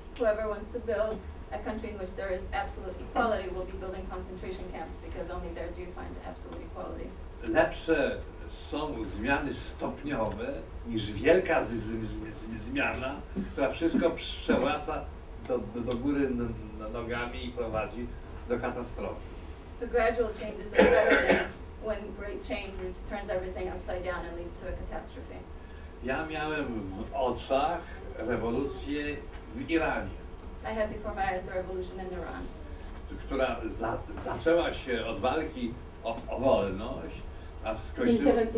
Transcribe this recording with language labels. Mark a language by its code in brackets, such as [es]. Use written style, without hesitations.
[en] Whoever wants to build a country in which there is absolute equality will be building concentration camps, because only there do you find absolute equality. [pl] Lepsze są zmiany stopniowe niż wielka zmiana, która wszystko przewraca do góry nogami i prowadzi do katastrofy. [en] So gradual changes are better than when great change turns everything upside down and leads to a catastrophe. [pl] Ja miałem w oczach rewolucję w Iranie. [en] I had before my eyes the revolution in Iran. [pl] Która zaczęła się od walki o wolność, a skończyła...